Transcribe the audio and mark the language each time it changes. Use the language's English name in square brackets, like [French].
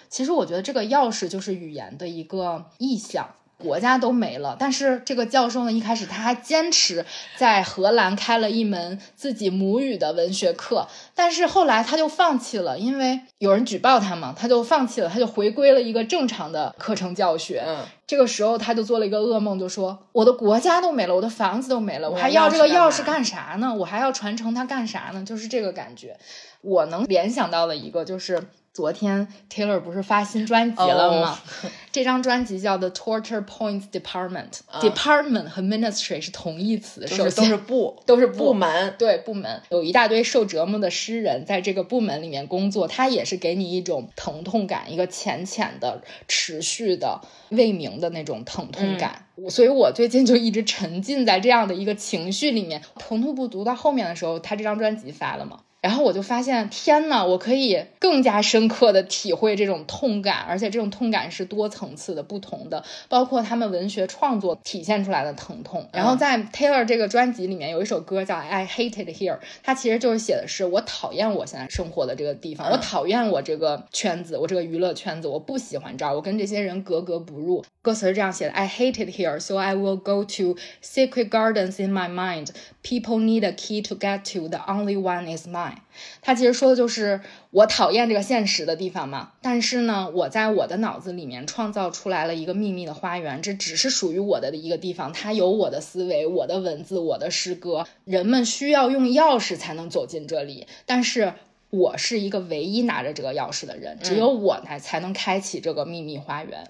[Chinese] 其实我觉得这个钥匙就是语言的一个意象，国家都没了，但是这个教授呢一开始他还坚持在荷兰开了一门自己母语的文学课，但是后来他就放弃了，因为有人举报他嘛，他就放弃了，他就回归了一个正常的课程教学。这个时候他就做了一个噩梦，就说我的国家都没了，我的房子都没了，我还要这个钥匙干啥呢？我还要传承它干啥呢？就是这个感觉。我能联想到的一个就是昨天 Taylor 不是发新专辑了吗？这张专辑叫 The Torture Points Department。 Department 和 Ministry 是同义词，就是都是部门。对，部门有一大堆受折磨的诗人在这个部门里面工作，它也是给你一种疼痛感，一个浅浅的、持续的、未明的那种疼痛感。所以我最近就一直沉浸在这样的一个情绪里面。同途不读到后面的时候，他这张专辑发了吗？然后我就发现天哪，我可以更加深刻的体会这种痛感，而且这种痛感是多层次的不同的，包括他们文学创作体现出来的疼痛。然后在 Taylor 这个专辑里面有一首歌叫 I Hate It Here， 它其实就是写的是我讨厌我现在生活的这个地方，我讨厌我这个圈子，我这个娱乐圈子，我不喜欢这儿，我跟这些人格格不入。歌词是这样写的， [English] I hate it here, so I will go to secret gardens in my mind. People need a key to get to, the only one is mine. [Chinese] 坏。他其实说的就是我讨厌这个现实的地方嘛，但是呢我在我的脑子里面创造出来了一个秘密的花园，这只是属于我的一个地方，它有我的思维，我的文字，我的诗歌，人们需要用钥匙才能走进这里，但是我是一个唯一拿着这个钥匙的人，只有我才能开启这个秘密花园。